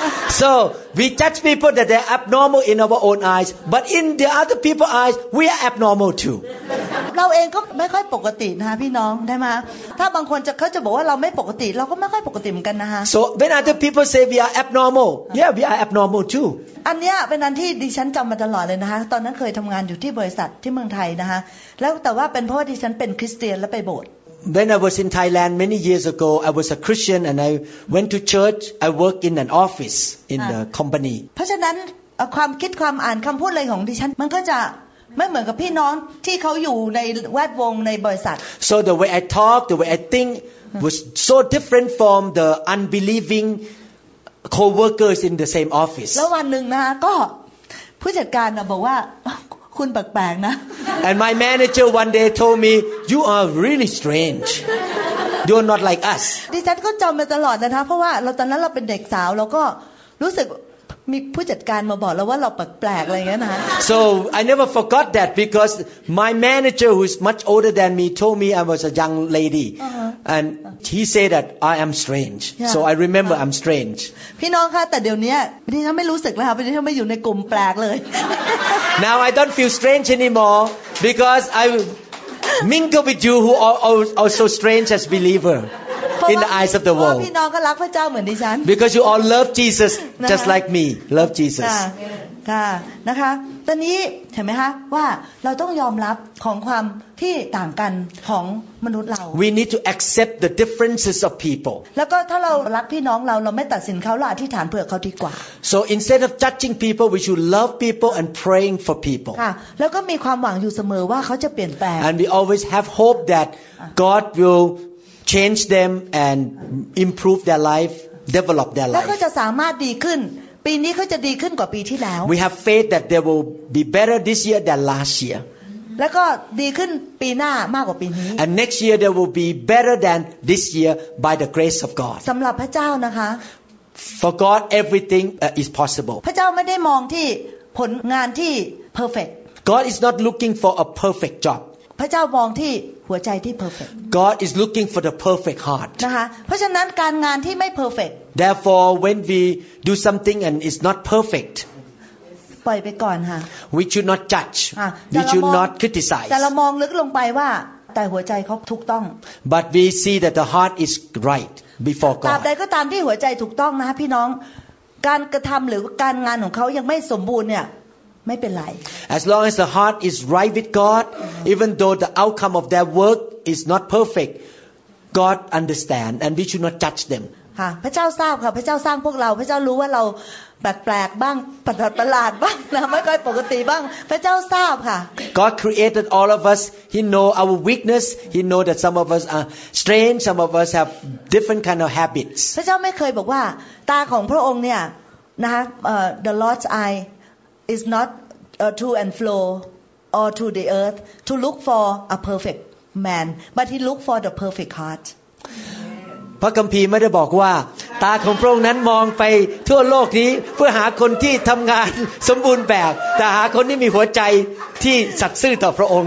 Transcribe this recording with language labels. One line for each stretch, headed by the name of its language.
English: So we judge people that they're abnormal in our own eyes, but in the other people's eyes, we are abnormal too.
Thai: เราเองก็ไม่ค่อยปกตินะพี่น้องได้ไหมถ้าบางคนจะเขาจะบอกว่าเราไม่ปกติเราก็ไม่ค่อยปกติเหมือนกันนะฮะ
English: So when other people say we are abnormal, yeah, we are abnormal too.
Thai: อันเนี้ยเป็นอันที่ดิฉันจำมาตลอดเลยนะคะตอนนั้นเคยทำงานอยู่ที่บริษัทที่เมืองไทยนะคะแล้วแต่ว่าเป็นเพราะดิฉันเป็นคริสเตียนและไปโบสถ์
English: When I was in Thailand many years ago, I was a Christian and I went to church. I worked in an office in the company.
Thai: เพราะฉะนั้นความคิดความอ่านคำพูดอะไรของดิฉันมันก็จะไม่เหมือนกับพี่น้องที่เขาอยู่ในแวดวงในบริษัท
English: So the way I talk, the way I think was so different from the unbelieving co-workers in the same office.
Thai: แล้ววันหนึ่งนะก็ผู้จัดการบอกว่าคุณแปลกๆนะ
English: And my manager one day told me you are really strange you're not like us
Thai: ดิฉันก็จำมาตลอดนะคะเพราะว่าเราตอนนั้นเราเป็นเด็กสาวเราก็รู้สึกมีผู้จัดการมาบอกเราว่าเราแปลกๆอะไรเงี้ยนะ
English: So I never forgot that because my manager who's much older than me told me I was a young lady and he said that I am strange so I remember I'm strange
Thai: พี่น้องคะแต่เดี๋ยวนี้ดิฉันไม่รู้สึกแล้วค่ะดิฉันไม่อยู่ในกลุ่มแปลกเลย
English: Now I don't feel strange anymore because I mingle with you who are also strange as believer in the eyes of the world
Thai: พี่น้องก็รักพระเจ้าเหมือนดิฉัน
English: because you all love Jesus just like me love Jesus
Thai: ค่ะนะคะตอนนี้เห็นไหมคะว่าเราต้องยอมรับของความที่ต่างกันของมนุษย์เรา
English: we need to accept the differences of people
Thai: แล้วก็ถ้าเรารักพี่น้องเราเราไม่ตัดสินเขาเราอธิษฐานเผื่อเขาดีกว่า
English: so instead of judging people we should love people and praying for people
Thai: ค่ะแล้วก็มีความหวังอยู่เสมอว่าเขาจะเปลี่ยนแปลง
English: and we always have hope that God willchange them and improve their life develop their life
Thai: แล้วก็จะสามารถดีขึ้นปีนี้เขาจะดีขึ้นกว่าปีที่แล้ว
English: We have faith that they will be better this year than last year
Thai: แล้วก็ดีขึ้นปีหน้ามากกว่าปีนี้
English: And next year they will be better than this year by the grace of God
Thai: สำหรับพระเจ้านะคะ
English: For God everything is possible
Thai: พระเจ้าไม่ได้มองที่ผลงานที่ perfect
English: God is not looking for a perfect job
Thai: พระเจ้ามองที่หัวใจที่ perfect
English: God is looking for the perfect heart
Thai: นะคะเพราะฉะนั้นการงานที่ไม่ perfect
English: Therefore when we do something and it's not perfect
Thai: ปล่อยไปก่อนค่ะ
English: We should not judge We should not criticize
Thai: แต่เรามองลึกลงไปว่าแต่หัวใจเขาถูกต้อง
English: But we see that the heart is right before God
Thai: ตราบใดก็ตามที่หัวใจถูกต้องนะพี่น้องกการกระทำหรือการงานของเขายังไม่สมบูรณ์เนี่ยไม่เป็นไร
English: As long as the heart is right with God even though the outcome of their work is not perfect God understand and we should not judge them
Thai: ค่ะพระเจ้าทราบค่ะพระเจ้าสร้างพวกเราพระเจ้ารู้ว่าเราแปลกๆบ้างประหลาดๆบ้างนะไม่ค่อยปกติบ้างพระเจ้าทราบค่ะ
English: God created all of us He know our weakness He know that some of us are strange some of us have different kind of habits
Thai: พระเจ้าไม่เคยบอกว่าตาของพระองค์เนี่ยนะคะ
English: the Lord's eye is not to and fro or to the earth to look for a perfect man but he look for the perfect heart
Thai: พระคัมภีร์ไม่ได้บอกว่าตาของพระองค์นั้นมองไปทั่วโลกนี้เพื่อหาคนที่ทำงานสมบูรณ์แบบแต่หาคนที่มีหัวใจที่สัตย์ซื่อต่อพระองค